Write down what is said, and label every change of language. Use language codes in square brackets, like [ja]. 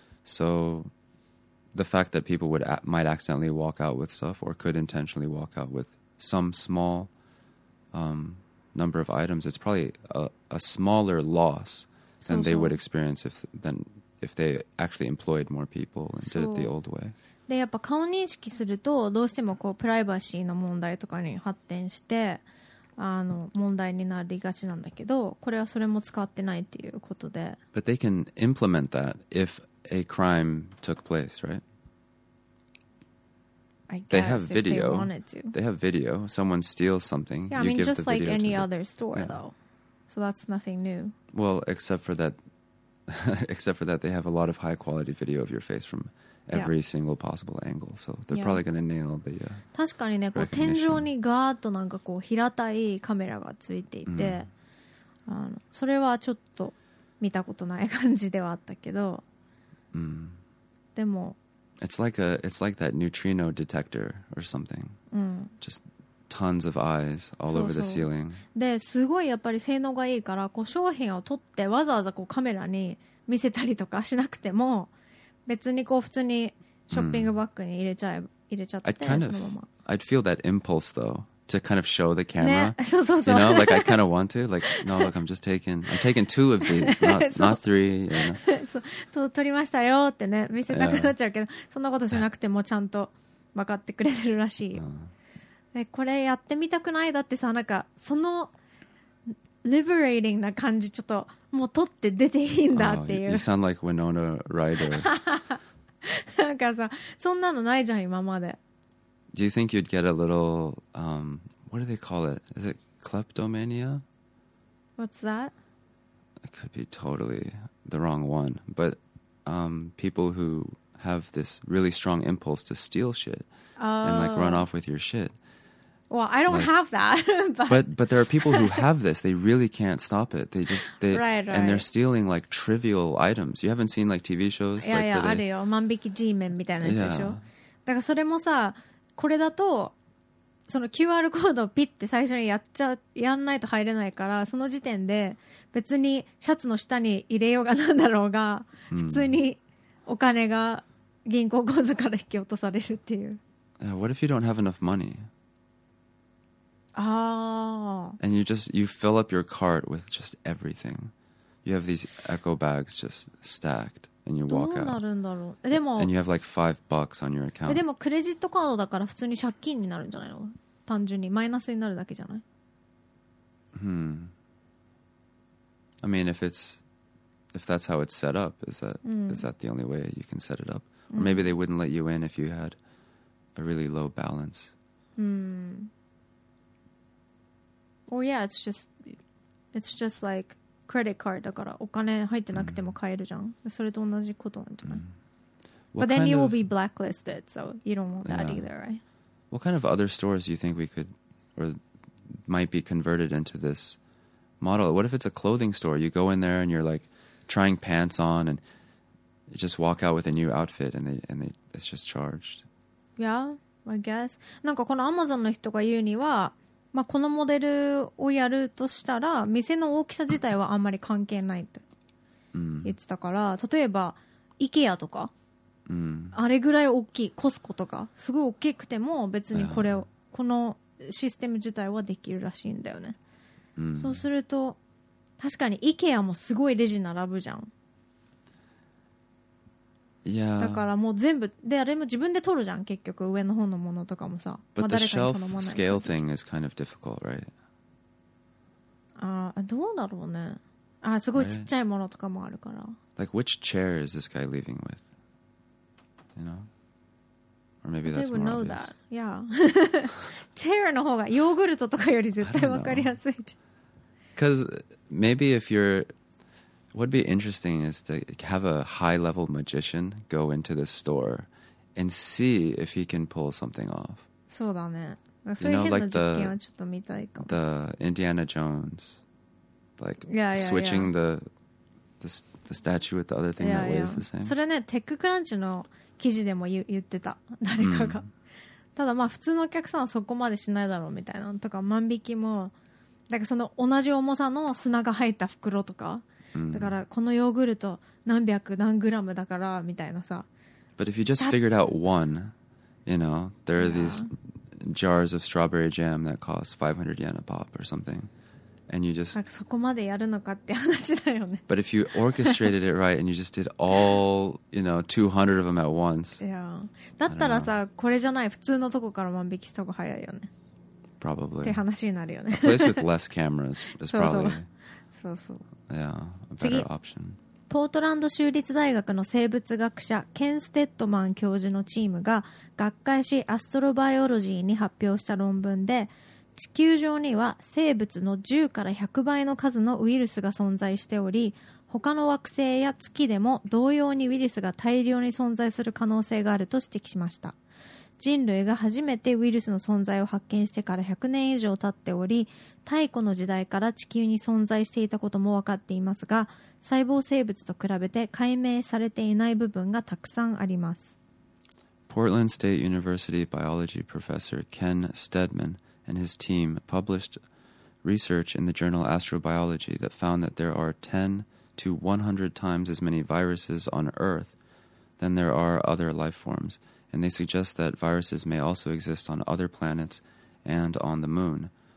[en] So the fact that people would might accidentally walk out with stuff or could intentionally walk out with some small number of items, it's probably a smaller loss than they would experience if they actually employed more people and did it the old way. [ja] で、やっぱ顔認識するとどうしてもこうプライバシーの問題とかに発展して問題になりがちなんだけど、これはそれも使ってないっていうことで。 [en] But they can implement that if a crime took place, right? They have video. They have video. Someone steals something. Yeah, I mean, just like any other store, though. So that's nothing new. Well, except for that, they have a lot of high quality video of your face from every single possible angle. So they're probably going to nail the recognition. [ja] 確かにね、こう天井にガーッとなんかこう平たいカメラがついていて、それはちょっと見たことない感じではあったけど、でも。 [en] It's like that neutrino detector or something. Just tons of eyes all over the ceiling. [ja] で、すごいやっぱり性能がいいから、こう商品を撮ってわざわざこうカメラに見せたりとかしなくても、別にこう普通にショッピングバッグに入れちゃって、 [en] I'd feel that impulse though to kind of show the camera. [ja] ね、そうそうそう。 [en] You know, like I kind of want to. Like, no, look, I'm taking two of these, not three. You know? [ja] そう、と、撮りましたよってね、見せたくなっちゃうけど、そんなことしなくてもちゃんと分かってくれてるらしいよ。これやってみたくないだってさ、なんかそのliberating な感じ、ちょっともう撮って出ていいんだっていう。 [en] Oh, you sound like Winona Ryder. [ja] なんかさ、そんなのないじゃん今まで。 [en] Do you think you'd get a little what do they call it? Is it kleptomania? What's that? It could be totally the wrong one, but people who have this really strong impulse to steal shit and like run off with your shit. Well, I don't have that. But there are people who have this. They really can't stop it. They just right. And they're stealing like trivial items. You haven't seen like TV shows? Yeah, like, [ja] yeah, あるよ。万引き G メンみたいなやつでしょ。だからそれもさ、これだとその QR コードをピッて最初にやんないと入れないから、その時点で別にシャツの下に入れようがなんだろうが、普通にお金が銀行口座から引き落とされるっていう。 [en] What if you don't have enough money? Ah. And you fill up your cart with just everything. You have these Echo bags just stacked. And you walk out. [ja] どうなるんだろう。でも、 [en] and you have like $5 on your account. [ja] でもクレジットカードだから普通に借金になるんじゃないの？単純にマイナスになるだけじゃない？ [en] I mean, if that's how it's set up, is that the only way you can set it up? Or maybe they wouldn't let you in if you had a really low balance. Well, yeah, it's just like. Credit card, [ja] だからお金入ってなくても買えるじゃん。それと同じことなんじゃない。 [en] But then you will be blacklisted, so you don't want that either, right? What kind of other stores do you think we could or might be converted into this model? What if it's a clothing store? You go in there and you're like trying pants on and just walk out with a new outfit and it's just charged. Yeah, I guess. [ja] なんかこの Amazon の人が言うには、まあ、このモデルをやるとしたら店の大きさ自体はあんまり関係ないと言ってたから、例えば IKEA とかあれぐらい大きい、コスコとかすごい大きくても別にこれをこのシステム自体はできるらしいんだよね。そうすると、確かに IKEA もすごいレジ並ぶじゃん。 [en] Yeah. [ja] だからもう全部で、あれも自分で取るじゃん結局、上の方のものとかもさ。 [en] But the shelf scale thing is kind of difficult, right? [ja] どうだろうね。あ、すごいちっちゃいものとかもあるから。 [en] Like which chair is this guy leaving with? You know? Or maybe that's more obvious. They would know that. Yeah. [ja] Chair の方がヨーグルトとかより絶対わかりやすい。 [en] Because maybe if you'reWhat'd be interesting is to have a high-level magician go into this store and see if he can pull something off. [ja] そうだね。そういう変な実験はちょっと見たいかも。 [en] The Indiana Jones, like switching the statue with the other thing that weighs the same. [ja] それね、テッククランチの記事でも言ってた誰かが。ただまあ普通のお客さんはそこまでしないだろうみたいなとか、万引きもだからその同じ重さの砂が入った袋とか、だからこのヨーグルト何百何グラムだからみたいなさ。 [en] But if you just figured out one, you know, there are these jars of strawberry jam that cost 500 yen a pop or something, and you just [ja] そこまでやるのかって話だよね。 [en] But if you orchestrated it right and you just did all, you know, 200 of them at once, [ja] だったらさ、これじゃない普通のとこから万引きした方が早いよね。 [en] Probably. [ja] って話になるよね。 [en] A place with less cameras is probably. [ja] そうそう。 [en] Yeah, a better option. [ja] 次。ポートランド州立大学の生物学者ケン・ステッドマン教授のチームが学会誌アストロバイオロジーに発表した論文で、地球上には生物の10から100倍の数のウイルスが存在しており、他の惑星や月でも同様にウイルスが大量に存在する可能性があると指摘しました。人類が初めてウイルスの存在を発見してから100年以上経っており、太古の時代から地球に存在していたことも分かっていますが、細胞生物と比べて解明されていない部分がたくさんあります。 [en] Portland State University Biology Professor Ken Steadman and his team published research in the journal Astrobiology that found that there are 10 to 100 times as many viruses on Earth than there are other life formsAnd they suggest that viruses may also exist on other planets and on the moon.